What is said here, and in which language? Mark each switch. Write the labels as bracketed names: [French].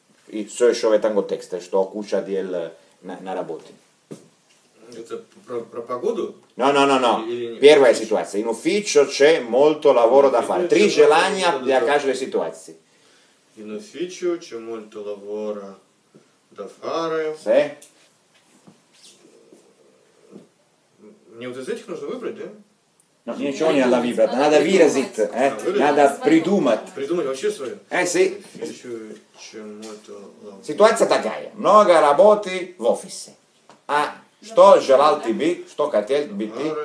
[Russian] И все еще в этом контексте, что куча дел на работе. Это про погоду? No. Первая ситуация. [Italian] In ufficio c'è molto lavoro da fare. [Russian] Три желания для каждой ситуации. [Italian] In ufficio c'è molto lavoro da fare. Sì. [Russian] Мне вот из этих нужно выбрать, да? Ничего не надо выбрать, надо выразить, надо придумать. Придумать вообще свое? [Italian] Sì. [Russian] Чему-то... Ситуация такая. Много работы в офисе. А что желал тебе, что хотел бы ты?